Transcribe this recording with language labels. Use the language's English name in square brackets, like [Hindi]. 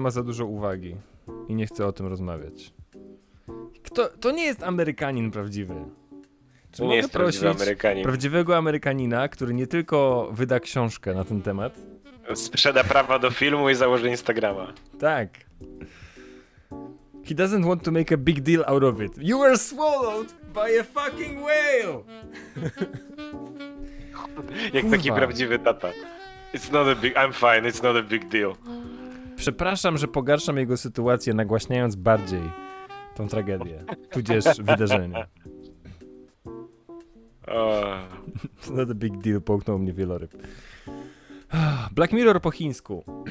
[Polish] ma za dużo uwagi i nie chce o tym rozmawiać. To nie jest Amerykanin prawdziwy. Czy nie jest prawdziwy Amerykanin. Prawdziwego Amerykanina, który nie tylko wyda książkę na ten temat. Sprzeda prawa do filmu i założy Instagrama. Tak. [English] He doesn't want to make a big deal out of it. You were swallowed by a fucking whale! [Polish] Jak taki prawdziwy tata. [English] I'm fine, it's not a big deal. [Polish] Przepraszam, że pogarszam jego sytuację, nagłaśniając bardziej tą tragedię, tudzież wydarzenie. [English] Not a big deal, [Polish] połknął mnie wieloryb. Black Mirror po chińsku.